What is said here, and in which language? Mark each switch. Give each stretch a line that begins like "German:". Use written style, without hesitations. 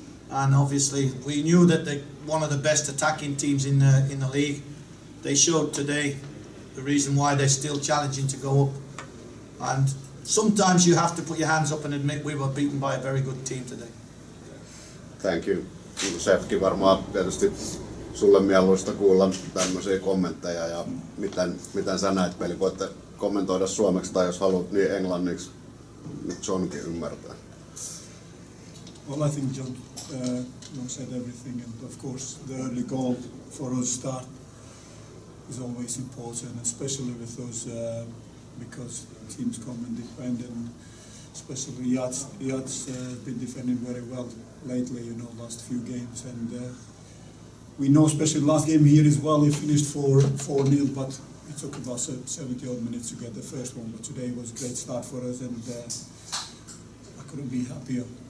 English: And obviously, we knew that they one of the best attacking teams in the league. They showed today the reason why they're still challenging to go up. And sometimes you have to put your hands up and admit we were beaten by a very good team today. Thank you.
Finnish: Shefki, varmaan tietysti sulle mieluista kuulla tämmöisiä kommentteja ja miten sä näet peli. Voitte kommentoida suomeksi tai jos haluat niin englanniksi, nyt Johnkin ymmärtää.
English: Well, I think John said everything, and of course the early goal for us start is always important, especially with those because teams come and defend, and especially Yats been defending very well lately, last few games, and we know especially last game here as well, he finished 4-0, but it took about 70 odd minutes to get the first one, but today was a great start for us, and I couldn't be happier.